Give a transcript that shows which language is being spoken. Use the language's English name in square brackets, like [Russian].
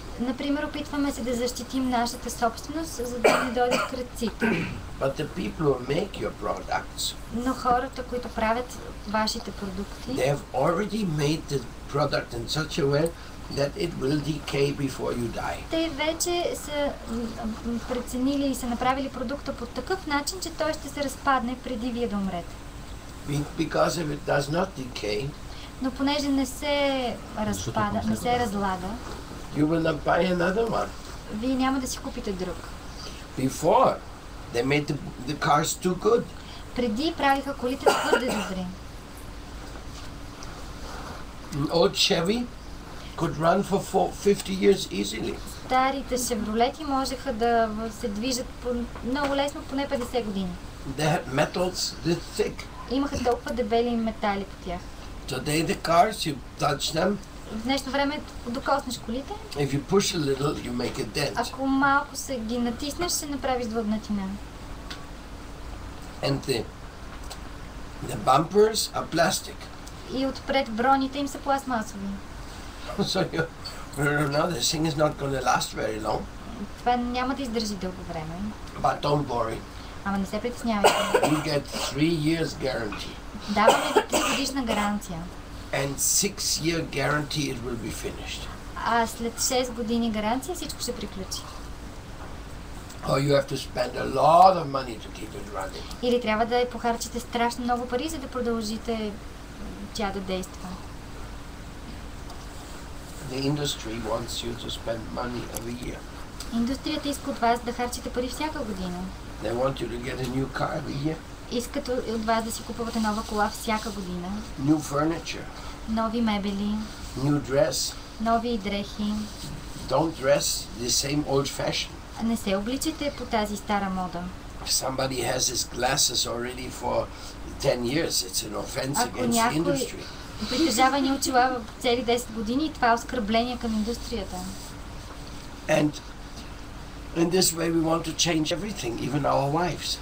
[Bulgarian] Например, опитваме се да защитим нашата собственост, за да не дойде крадците. [English] But the people who make your products. [Bulgarian] Но хората, които правят вашите продукти. [English] They have already made the product in such a way that it will decay before you die. [Bulgarian] Те вече са преценили и са направили продукта по такъв начин, че той ще се разпадне преди вие да умрете. [English] Because if it does not decay. [Bulgarian] Но понеже не се разпада, не се разлага. [English] You will not buy another one. [Bulgarian] Вие няма да си купите друг. [English] Before they made the cars too good. [Bulgarian] Преди правиха колите твърде добри. [English] An old Chevy could run for 50 years easily. [Bulgarian] Старите Шевролети можеха да се движат много лесно поне 50 години. [English] They had metals this thick. [Bulgarian] Имаха толкова дебели метали по тях. [English] Today the cars, you touch them. [Bulgarian] В днешно време докоснеш колите. [English] If you push a little, you make a dent. [Bulgarian] Ако малко се ги натиснеш, ще направиш дълбнатина. [English] And the bumpers are plastic. [Bulgarian] И отпред броните им са пластмасови. [English] So this thing is not going to last very long. [Bulgarian] Това няма да издържи дълго време. [English] But don't worry. [Bulgarian] Ама не се притеснявай. [English] You get 3 years guarantee. [Bulgarian] Даваме 3-годишна гаранция. [English] And 6-year guarantee it will be finished. [Bulgarian] А след 6 години гаранция всичко ще приключи. [English] Or you have to spend a lot of money to keep it running. [Bulgarian] Или трябва да похарчите страшно много пари, за да продължите тя да действа. [English] The industry wants you to spend money every year. [Bulgarian] Индустрията иска от вас да харчите пари всяка година. [English] They want you to get a new car every year. [Bulgarian] Искат от вас да си купувате нова кола всяка година. [English] New furniture. [Bulgarian] Нови мебели. [English] New dress. [Bulgarian] Нови дрехи. [English] Don't dress the same old fashion. [Bulgarian] Не се обличайте по тази стара мода. [English] If somebody has his glasses already for 10 years, it's an offense [Bulgarian] Ако [English] against [Bulgarian] някой... [English] the industry. [Bulgarian] Притежава ни очила в цели 10 години и това е оскърбление към индустрията. [English] In this way we want to change everything, even our wives.